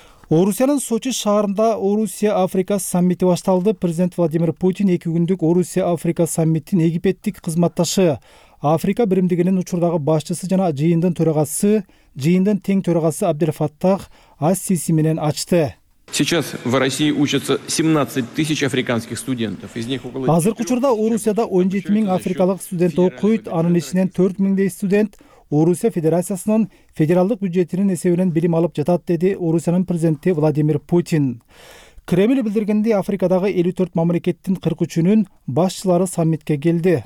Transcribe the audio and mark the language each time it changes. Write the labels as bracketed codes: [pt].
[ky] Орусиянын Сочи шаарында Орусия Африка саммити башталды. Президент Владимир Путин 2 күндүк Орусия Африка саммитинин Египеттик кызматташы, Африка биримдигинин учурдагы башчысы жана жыйындын төрагасы, жыйындын тең төрагасы Абдельфаттах Ас-Сиси менен ачты. [ru] Сейчас в России учатся 17,000 африканских студентов. Из них около [ky] Азыркы учурда Орусияда 17,000 африкалык студент окуйт, анын ичинен 4,000 студент Орусия Федерациясынын федералдык бюджетинин эсебинен билим алып жатат, деди Орусиянын президенти Владимир Путин. Кремль билдиргенде Африкадагы 54 мамлекеттин 43-үнүн башчылары саммитке келди.